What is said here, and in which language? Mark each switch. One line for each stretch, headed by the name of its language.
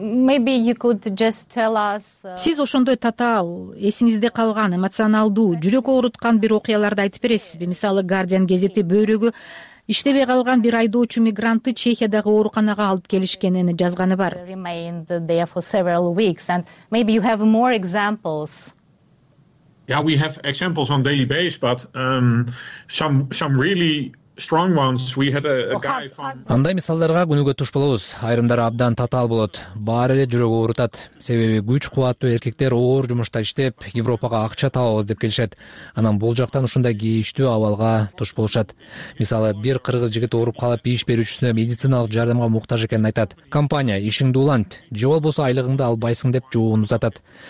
English: Maybe you could just tell us
Kyrgyz: Сиз ошондой татаал, эсиңизде калган, эмоционалдуу, жүрөк ооруткан бир окуяларды айтып бересизби? Мисалы, Guardian гезети бөйрөгү иштебей калган бир айдоочу мигрантты Чехиядагы ооруканага алып келишкенин жазганы бар.
English: Remained there for several weeks and maybe you have more examples. Yeah, we have examples on daily basis, but some really strong ones we had a guy from
Kyrgyz: андай мисалдарга күнүгө туш болобуз. Айрымдары абдан татаал болот, баары эле жүрөк оорутат. Себеби күч кубаттуу эркектер оор жумушта иштеп Европага акча табабыз деп келишет, анан бул жактан ушундай кейиштүү абалга туш болушат. Мисалы, бир кыргыз жигит ооруп калып иш берүүчүсүнө медициналык жардамга муктаж экенин айтат, компания ишиңди улант же болбосо айлыгыңды албайсың деп жообун узатат.